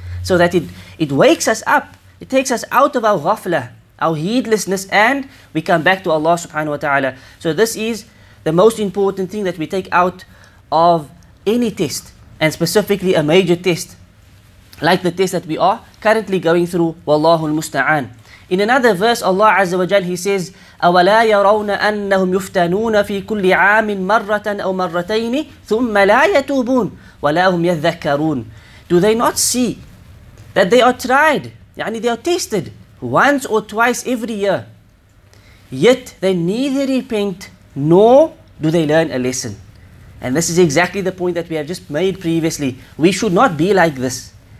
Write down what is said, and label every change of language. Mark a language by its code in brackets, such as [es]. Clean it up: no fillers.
[en] So that it wakes us up, it takes us out of our ghafla, our heedlessness, and we come back to Allah subhanahu wa ta'ala. So this is the most important thing that we take out of any test, and specifically a major test, like the test that we are currently going through. [ar] Wallahu al-musta'an. [en] In another verse, Allah Azza wa Jal, He says, [ar] أَوَلَا يَرَوْنَ أَنَّهُمْ يُفْتَنُونَ فِي كُلِّ عَامٍ مَرَّةً أَوْ مَرَّتَيْنِ ثُمَّ لَا يَتُوبُونَ وَلَا هُمْ يَذَّكَّرُونَ. [en] Do they not see that they are tried, يعني they are tested once or twice every year, yet they neither repent nor do they learn a lesson? And this is exactly the point that we have just made previously. We should not be like this.